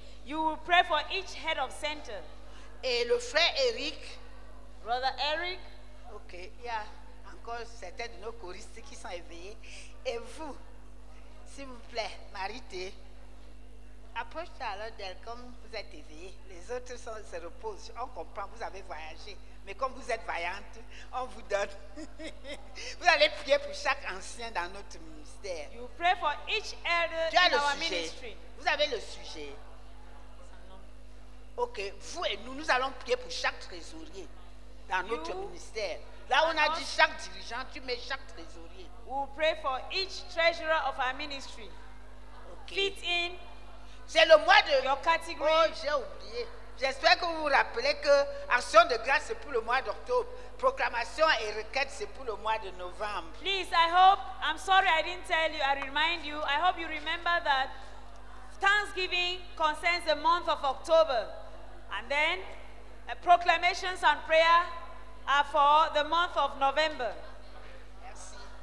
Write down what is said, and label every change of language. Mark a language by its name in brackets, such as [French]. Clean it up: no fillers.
[English] You will pray for each head of center. [French] Et le frère Eric. [English] Brother Eric. Okay, yeah. [French] Encore certains de nos choristes qui sont éveillés. Et vous, s'il vous plaît, Marité, approche-toi alors d'elle comme vous êtes éveillée. Les autres se reposent. On comprend, vous avez voyagé. Mais comme vous êtes vaillante, on vous donne. Vous allez prier pour chaque ancien dans notre ministère. [English] You pray for each elder [French] tu as [English] in [French] le [English] our [French] sujet. [English] Ministry. [French] Vous avez le sujet. Ok, vous et nous allons prier pour chaque trésorier dans notre ministère. Là, on a dit chaque dirigeant, tu mets chaque trésorier. [English] We pray for each treasurer of our ministry. Okay. Fit in. [French] C'est le mois de. [English] Your category. [French] Oh, j'ai oublié. J'espère que vous vous rappelez que Action de grâce c'est pour le mois d'octobre. Proclamation et requête c'est pour le mois de novembre. [English] Please, I hope. I'm sorry, I didn't tell you. I remind you. I hope you remember that. Thanksgiving concerns the month of October. And then proclamations and prayer are for the month of November. [French] Merci.